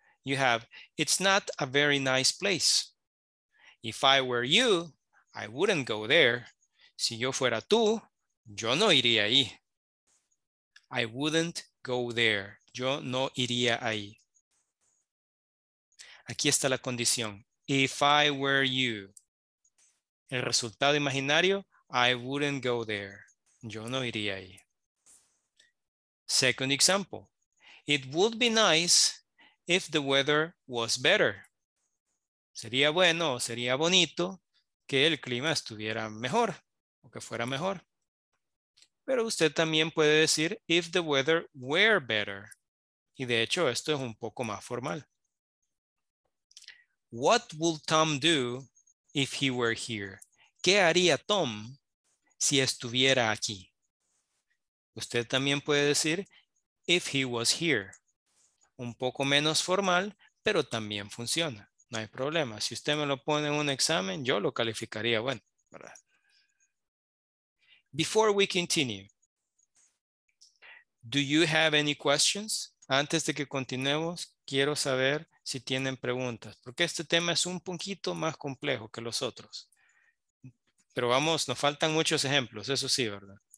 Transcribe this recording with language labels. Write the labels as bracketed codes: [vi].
[en] You have, it's not a very nice place. If I were you, I wouldn't go there. [es] Si yo fuera tú, yo no iría ahí. [en] I wouldn't go there. [es] Yo no iría ahí. Aquí está la condición. [en] If I were you. [es] El resultado imaginario, [en] I wouldn't go there. [es] Yo no iría ahí. [en] Second example. It would be nice if the weather was better. [es] Sería bueno, sería bonito que el clima estuviera mejor o que fuera mejor. Pero usted también puede decir, [en] if the weather were better. [es] Y de hecho, esto es un poco más formal. [en] What would Tom do if he were here? [es] ¿Qué haría Tom si estuviera aquí? Usted también puede decir, [en] if he was here. [es] Un poco menos formal, pero también funciona. No hay problema. Si usted me lo pone en un examen, yo lo calificaría bueno, ¿verdad? [en] Before we continue, do you have any questions? [es] Antes de que continuemos, quiero saber si tienen preguntas, porque este tema es un poquito más complejo que los otros. Pero vamos, nos faltan muchos ejemplos, eso sí, ¿verdad?